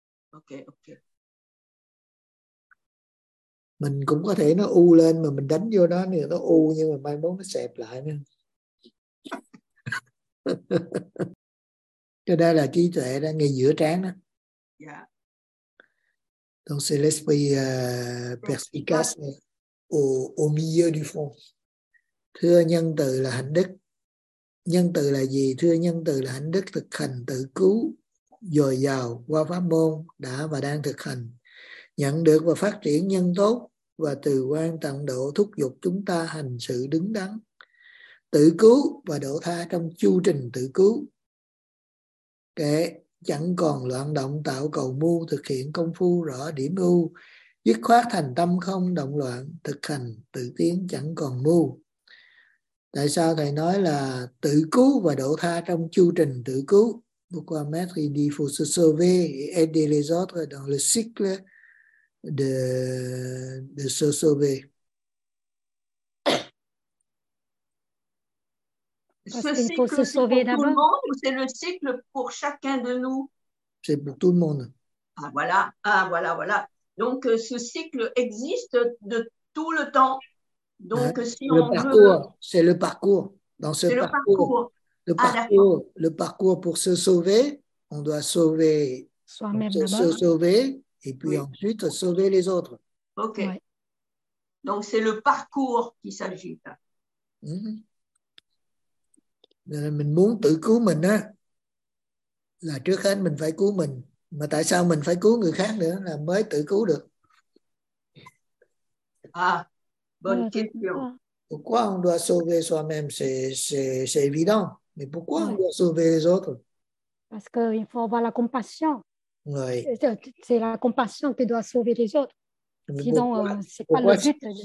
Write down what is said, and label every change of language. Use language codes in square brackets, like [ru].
[en] Ok. [vi] Mình cũng có thể nó u lên mà mình đánh vô đó thì nó u nhưng mà mai mốt nó xẹp lại nữa. Cho đây là trí tuệ đó, ngay giữa trán đó. [fr] Donc c'est l'esprit perspicace au milieu du fond. [vi] Thưa nhân từ là hạnh đức. Nhân từ là gì? Thưa nhân từ là hạnh đức thực hành tự cứu dồi dào qua pháp môn đã và đang thực hành. Nhận được và phát triển nhân tốt và từ quan tận độ thúc giục chúng ta hành sự đứng đắn. Tự cứu và độ tha trong chu trình tự cứu. Kể chẳng còn loạn động tạo cầu mưu, thực hiện công phu rõ điểm ưu, dứt khoát thành tâm không động loạn, thực hành tự tiến chẳng còn mưu. Tại sao thầy nói là tự cứu và độ tha trong chu trình tự cứu? [fr] Pourquoi mettre il faut se sauver et aider les autres dans le cycle de se sauver? Ce cycle pour chacun de nous? C'est pour tout le monde. Ah voilà. Donc ce cycle existe de tout le temps. Donc si le on parcours, veut... c'est le parcours. Dans ce c'est parcours. Le parcours pour se sauver, on doit sauver se sauver et puis ensuite sauver les autres. Ok. Ouais. Donc c'est le parcours qui s'agit. [vi] Mình muốn tự cứu mình á. Là trước hết mình phải cứu mình. Mà tại sao mình phải cứu người khác nữa là mới tự cứu được? [fr] Bonne question. Pourquoi on doit sauver soi-même? C'est évident. Mais pourquoi on doit sauver les autres? Parce qu'il faut avoir la compassion. Oui. C'est la compassion qui doit sauver les autres. Mais sinon, pourquoi, c'est pas logique.